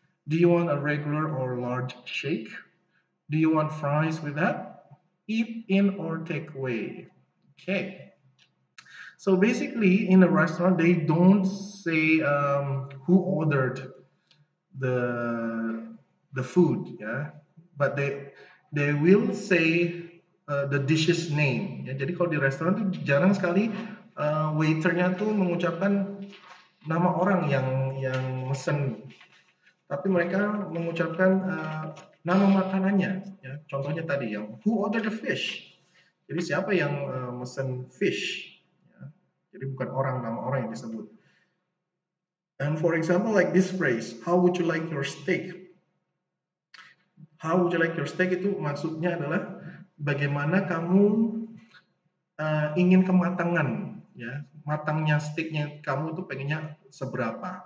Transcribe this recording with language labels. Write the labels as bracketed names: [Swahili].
[English] Do you want a regular or large shake? Do you want fries with that? Eat in or take away? Okay. So basically, in a restaurant, they don't say who ordered the food, yeah. But they will say the dish's name. Ya? [Indonesian] Jadi kalau di restoran itu jarang sekali waiternya tuh mengucapkan nama orang yang mesen. Tapi mereka mengucapkan nama makanannya, ya. Contohnya tadi yang [English] who ordered the fish. [Indonesian] Jadi siapa yang mesen fish? Ya. Jadi bukan orang, nama orang yang disebut. [English] And for example, like this phrase, how would you like your steak? How would you like your steak [Indonesian] itu maksudnya adalah bagaimana kamu ingin kematangan, ya, matangnya steaknya kamu tuh pengennya seberapa?